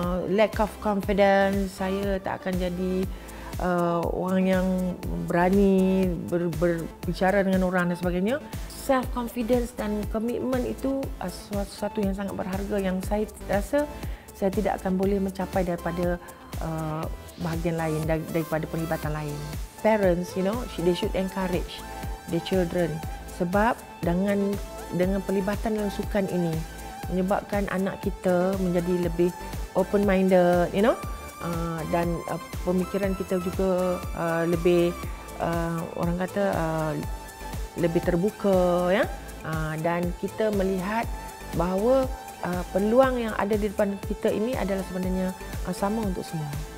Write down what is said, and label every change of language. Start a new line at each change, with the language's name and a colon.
English: Lack of confidence,
Malay: saya tak akan jadi orang yang berani berbicara dengan orang dan sebagainya. Self-confidence dan commitment itu sesuatu yang sangat berharga yang saya rasa saya tidak akan boleh mencapai daripada bahagian lain, daripada penglibatan lain.
English: Parents, you know, they should encourage their children.
Malay: Sebab dengan pelibatan dalam sukan ini menyebabkan anak kita menjadi lebih open-minded, you know, dan pemikiran kita juga lebih orang kata lebih terbuka, ya, dan kita melihat bahawa peluang yang ada di depan kita ini adalah sebenarnya sama untuk semua.